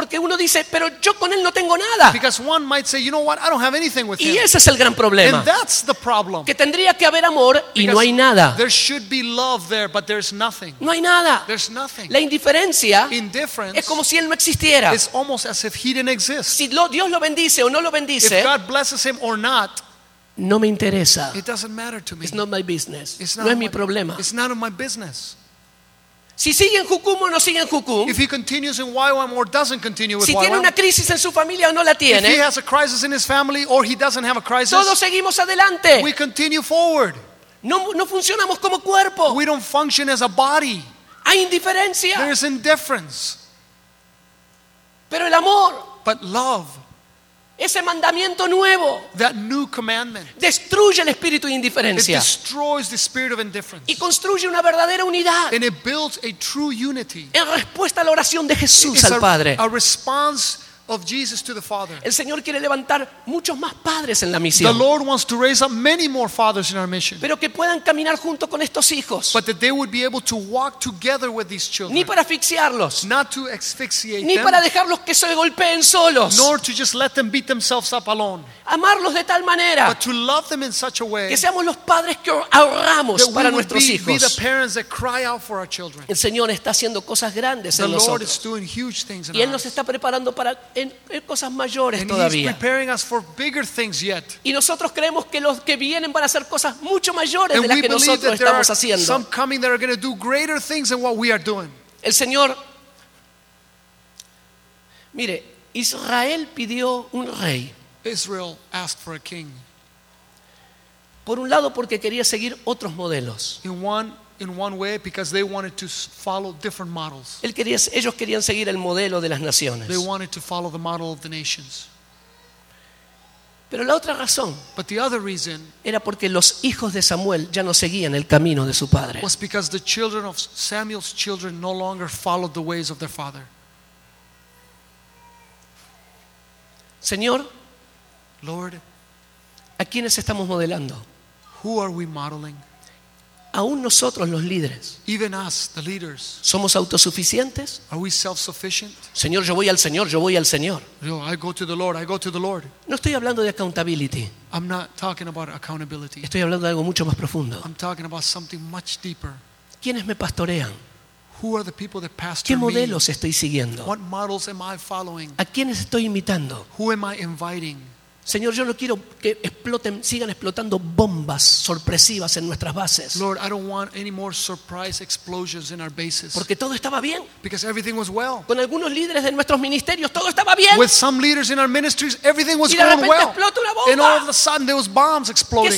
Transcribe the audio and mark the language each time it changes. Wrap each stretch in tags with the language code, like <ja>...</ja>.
<es>Porque uno dice, pero yo con él no tengo nada.</es> <en>Because one might say, you know what, I don't have anything with him.</en> <es>Y ese es el gran problema.</es> <en>And that's the problem.</en> <es>Que tendría que haber amor y no hay nada.</es> <en>There should be love there, but there's nothing.</en> <es>No hay nada.</es> <en>There's nothing.</en> <es>La indiferencia.</es> <en>Indifference.</en> <es>Es como si él no existiera.</es> <en>It's almost as if he didn't exist.</en> <es>Si Dios lo bendice o no lo bendice.</es> <en>If God blesses him or not.</en> <es>No me interesa.</es> <en>It doesn't matter to me. It's not my business. It's not</en> <es>no es mi problema.</es> <en>It's none of my business.</en> <es>Si sigue en Jucum o no sigue en Jucum.</es> <en>If he continues in YWAM or doesn't continue with</en> <es>si</es> <en>YWAM.</en> <es>Si tiene una crisis en su familia o no la tiene.</es> <en>If he has a crisis in his family or he doesn't have a crisis.</en> <es>Todos seguimos adelante.</es> <en>We continue forward.</en> <es>No funcionamos como cuerpo.</es> <en>We don't function as a body.</en> <es>Hay indiferencia.</es> <en>There is indifference.</en> <es>Pero el amor.</es> <en>But love.</en> <es>Ese mandamiento nuevo,</es> <en>that new commandment,</en> <es>destruye el espíritu de indiferencia,</es> <en>it destroys the spirit of indifference,</en> <es>y construye una verdadera unidad,</es> <en>and it builds a true unity,</en> <es>en respuesta a la oración de Jesús al Padre,</es> <en>a response of Jesus to the Father.</en> <es>El Señor quiere levantar muchos más padres en la misión.</es> <en>The Lord wants to raise up many more fathers in our mission.</en> <es>Pero que puedan caminar junto con estos hijos.</es> <en>But that they would be able to walk together with these children.</en> <es>Ni para asfixiarlos.</es> <en>Not to asphyxiate them.</en> <es>Ni para dejarlos que se golpeen solos.</es> <en>Nor to just let them beat themselves up alone.</en> <es>Amarlos de tal manera.</es> <en>But to love them in such a way.</en> <es>Que seamos los padres que ahorramos para nuestros hijos.</es> <en>Be the parents that cry out for our children.</en> <es>El Señor está haciendo cosas grandes en nosotros.</es> <en>The Lord is doing huge things in us.</en> <es>Y él nos está preparando para en cosas mayores todavía.</es> <en>He's preparing us for bigger things yet.</en> <es>Y nosotros creemos que los que vienen van a hacer cosas mucho mayores de las que nosotros estamos haciendo.</es> <en>Some coming that are going to do greater things than what we are doing.</en> <es>El Señor, mire, Israel pidió un rey.</es> <en>Israel asked for a king.</en> <es>Por un lado, porque quería seguir otros modelos.</es> <en>In one way, because they wanted to follow different models.</en> <es>Ellos querían seguir el modelo de las naciones.</es> <en>They wanted to follow the model of the nations.</en> <es>Pero la otra razón,</es> <en>but the other reason,</en> <es>era porque los hijos de Samuel ya no seguían el camino de su padre.</es> <en>Was because the children of Samuel's children no longer followed the ways of their father.</en> <es>Señor,</es> <en>Lord,</en> <es>¿a quiénes estamos modelando?</es> <en>Who are we modeling?</en> <es>Aún nosotros los líderes.</es> <en>Even us, the leaders.</en> <es>¿Somos autosuficientes?</es> <en>Are we self-sufficient?</en> <es>Señor, yo voy al Señor, yo voy al Señor.</es> <en>No, I go to the Lord, I go to the Lord.</en> <es>No estoy hablando de accountability.</es> <en>I'm not talking about accountability.</en> <es>Estoy hablando de algo mucho más profundo.</es> <en>I'm talking about something much deeper.</en> <es>¿Quiénes me pastorean?</es> <en>Who are the people that pastor me?</en> <es>¿Qué modelos estoy siguiendo?</es> <en>What models am I following?</en> <es>¿A quiénes estoy imitando?</es> <en>Who am I inviting?</en> <es>Señor, yo no quiero que exploten, sigan explotando bombas sorpresivas en nuestras bases.</es> <en>Lord, I don't want any more surprise explosions in our bases.</en> <es>Porque todo estaba bien.</es> <en>Because everything was well.</en> <es>Con algunos líderes de nuestros ministerios todo estaba bien.</es> <en>With some leaders in our ministries, everything was going well.</en> <es>Y de repente explota una bomba.</es> <en>And all of a sudden there was bombs exploding.</en>